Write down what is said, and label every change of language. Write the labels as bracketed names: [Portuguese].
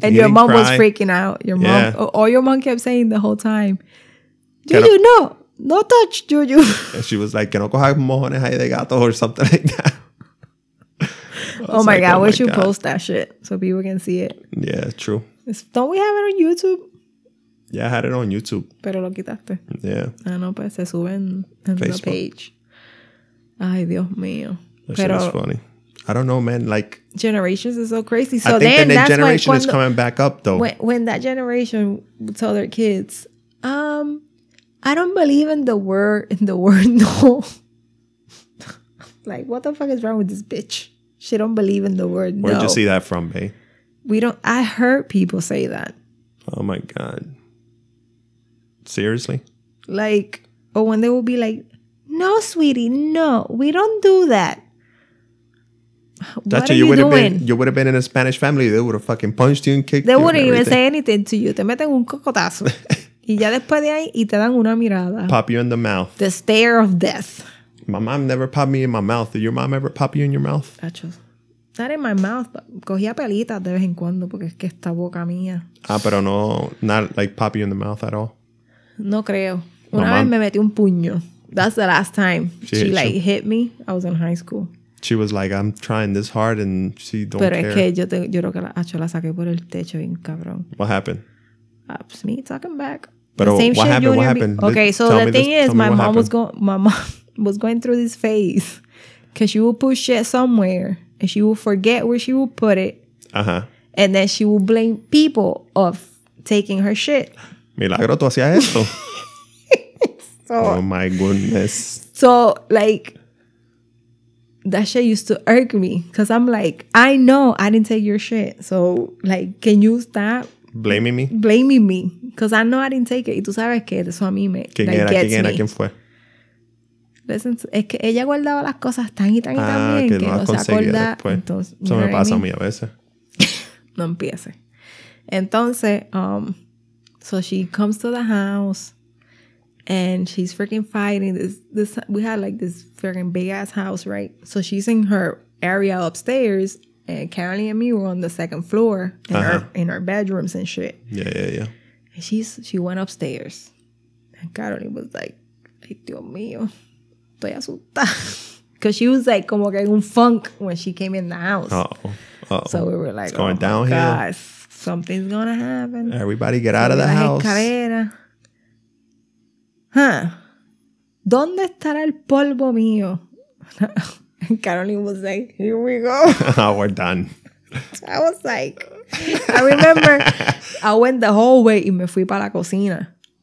[English] And your mom was freaking out. Your mom, yeah. All your mom kept saying the whole time, Juju, no. No touch, Juju. And she was like, [Spanish] que no cojas mojones ahí de gato [English] or something like that. Oh my God, we should post that shit so people can see it. Yeah, true. Don't we have it on YouTube? Yeah, I had it on YouTube. [Spanish] Pero lo quitaste. [English] Yeah. [Spanish] No, pues se sube en [English] the page. [Spanish] Ay, Dios mío. [English] That shit is funny. I don't know, man. Like generations is so crazy. So I think then the next that's generation is coming back up, though. When that generation would tell their kids, I don't believe in the word no. Like, what the fuck is wrong with this bitch? She don't believe in the word no. Where'd you see that from, babe? We don't. I heard people say that. Oh my God. Seriously? Like, or when they will be like, "No, sweetie, no, we don't do that." That's what you would have been. You would have been in a Spanish family. They would have fucking punched you and kicked they you. They wouldn't even say anything to you. [Spanish] Te meten un cocotazo. Y ya después de ahí, y te dan una mirada. [English] Pop you in the mouth. The stare of death. My mom never popped me in my mouth. Did your mom ever pop you in your mouth? Not in my mouth, but [Spanish] cogía pelitas de vez en cuando porque es que esta boca mía. Ah, pero no, [English] not like pop you in the mouth at all. [Spanish] No creo. Una vez me metí un puño. [English] That's the last time she hit me. I was in high school. She was like, I'm trying this hard, and she don't [Spanish] pero [English] care. [Spanish] Es que yo creo que la saqué por el techo, bien cabrón. [English] What happened? It's me talking back. But the same what shit happened? What happened? Okay, so the thing this, is, my mom was going through this phase because she will put shit somewhere, and she will forget where she will put it. Uh-huh. And then she will blame people of taking her shit. [Spanish] Milagro, tú hacías esto. [English] So, oh, my goodness. So, like... That shit used to irk me because I'm like, I know I didn't take your shit. So, like, can you stop blaming me? Blaming me because I know I didn't take it. [Spanish] Y tú sabes que eso a mí me. ¿Quién era? ¿Quién era? ¿Quién fue? [English] Listen, [Spanish] es que ella guardaba las cosas tan y tan y tan bien que no se acuerda. Eso me pasa a mí a veces. No empiece. [English] Entonces, so she comes to the house. And she's freaking fighting this. We had like this freaking big ass house, right? So she's in her area upstairs, and Carolyn and me were on the second floor in our bedrooms and shit. Yeah. And she went upstairs, and Carolyn was like, [Spanish] "Ay, Dios mío, estoy asustada," [English] because she was like, [Spanish] "Como que en un [English] funk" when she came in the house. Uh-oh. So we were like, "It's going downhill. Gosh, something's gonna happen. Everybody, get out of the house." [Spanish] Escalera. Huh. ¿Dónde estará el polvo mío? [English] Caroline was like, here we go. We're done. I was like, I remember I went the whole way [Spanish] y me fui para la cocina.